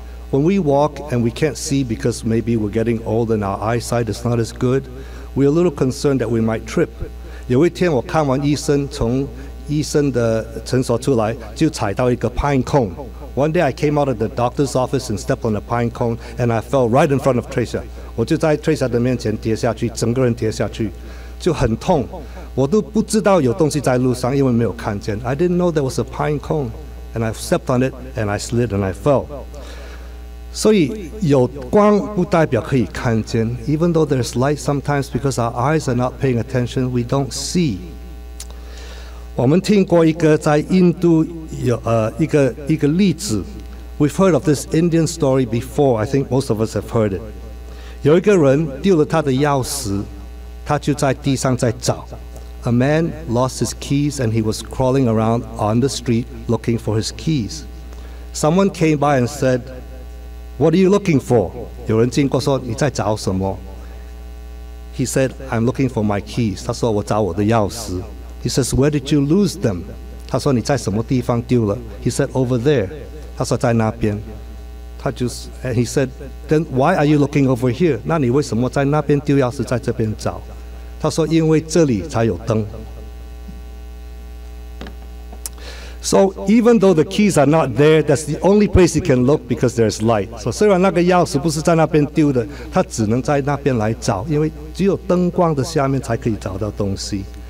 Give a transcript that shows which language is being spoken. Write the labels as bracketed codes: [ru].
[en] When we walk and we can't see because maybe we're getting old and our eyesight is not as good, we're a little concerned that we might trip. [zh] 有一天我看完医生，从医生的诊所出来就踩到一个 pine cone. [en] One day I came out of the doctor's office and stepped on a pine cone and I fell right in front of Tracia. [zh] 我就在 Tracia 的面前跌下去，整个人跌下去，就很痛。我都不知道有东西在路上，因为没有看见。 [en] I didn't know there was a pine cone and I stepped on it and I slid and I fell. [zh] 所以有光不代表可以看见。 [en] Even though there's light sometimes because our eyes are not paying attention, we don't see. [zh] 我们听过一个在印度有一个例子 ， [en] We've heard of this Indian story before. I think most of us have heard it. [zh] 有一个人丢了他的钥匙，他就在地上在找。 [en] A man lost his keys and he was crawling around on the street looking for his keys. Someone came by and said, "What are you looking for?" [zh] 有人经过说你在找什么 [en] He said, I'm looking for my keys. [zh] 他说我找我的钥匙. [en] He says, where did you lose them? [zh] 他说你在什么地方丢了? [en] He said, over there. [zh] 他说在那边. [en] And he said, then why are you looking over here? [zh] 那你为什么在那边丢钥匙在这边找? 他说因为这里才有灯. [en] So even though the keys are not there, that's the only place you can look because there's light. [zh] So 虽然那个钥匙不是在那边丢的，他只能在那边来找，因为只有灯光的下面才可以找到东西。